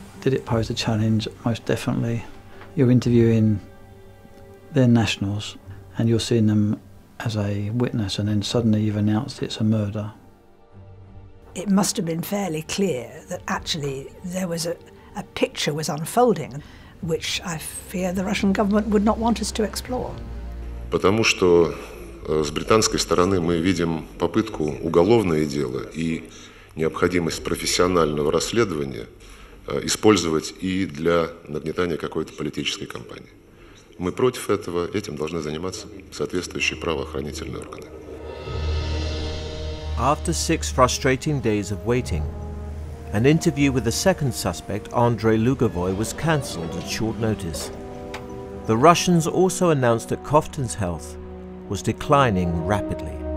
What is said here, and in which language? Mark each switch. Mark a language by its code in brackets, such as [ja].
[en] Did it pose a challenge? Most definitely. You're interviewing their nationals and you're seeing them as a witness, and then suddenly you've announced it's a murder. It must have been fairly clear that actually there was a picture was unfolding, which I fear the Russian government would not want us to explore. [ru] Потому что с британской стороны мы видим попытку уголовное дело и необходимость профессионального расследования использовать и для нагнетания какой-то политической кампании. Мы против этого, этим должны заниматься соответствующие правоохранительные органы. [en] After 6 frustrating days of waiting, an interview with the second suspect, Andrei Lugovoy, was cancelled at short notice. The Russians also announced that Kovtun's health was declining rapidly.